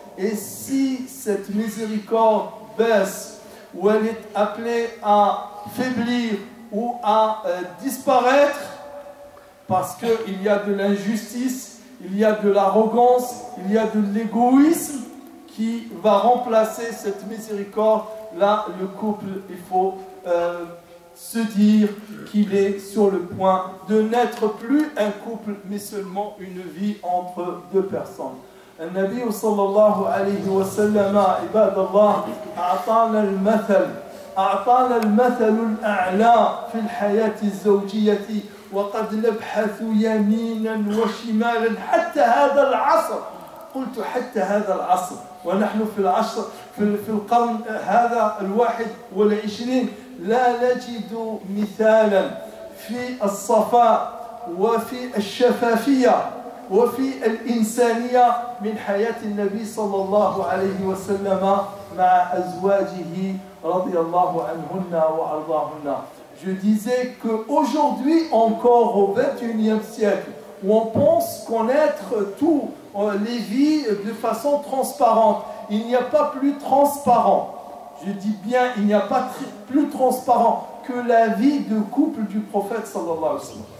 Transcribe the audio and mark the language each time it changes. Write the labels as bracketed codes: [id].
[fr] Et si cette miséricorde baisse, ou elle est appelée à faiblir ou à disparaître parce qu'il y a de l'injustice, il y a de l'arrogance, il y a de l'égoïsme qui va remplacer cette miséricorde, là le couple, il faut se dire qu'il est sur le point de n'être plus un couple mais seulement une vie entre deux personnes. [ar] النبي صلى الله عليه وسلم عباد الله أعطانا المثل أعطانا المثل الأعلى في الحياة الزوجية وقد نبحث يمينا وشمالا حتى هذا العصر قلت حتى هذا العصر ونحن في العصر في القرن هذا الواحد والعشرين لا نجد مثالا في الصفاء وفي الشفافية وفي الإنسانية من حياة النبي صلى الله عليه وسلم مع أزواجه رضي الله عنهن وأرضاهن. [fr] Je disais que aujourd'hui encore au 21e siècle, où on pense connaître tout les vies de façon transparente, il n'y a pas plus transparent. Je dis bien, il n'y a pas plus transparent que la vie de couple du prophète [ar] صلى الله عليه وسلم.